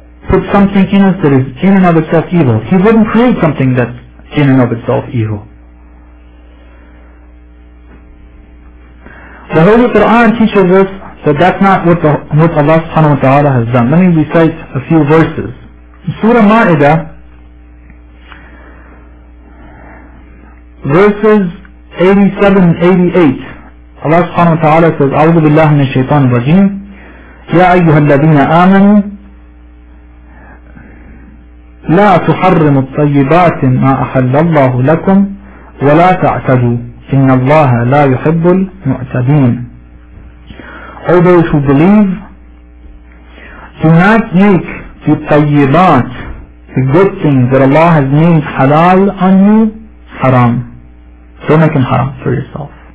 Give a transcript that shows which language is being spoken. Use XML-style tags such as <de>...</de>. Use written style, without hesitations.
<en>Put something in us that is in and of itself evil. He wouldn't create something that's in and of itself evil. The Holy Quran teaches us that that's not what what Allah subhanahu wa ta'ala has done. Let me recite a few verses. Surah Ma'idah, verses 87 and 88, Allah subhanahu wa ta'ala says,</en> <ar>أعوذ بالله من الشيطان الرجيم يا أيها الذين آمنوا لا تحرموا الطيبات ما أحل الله لكم ولا تعتدوا إن الله لا يحب المعتدين.</ar> <en>All those who believe, do not make the tayyibat, the good things that Allah has named halal on you, haram. Don't make it haram for yourself.</en>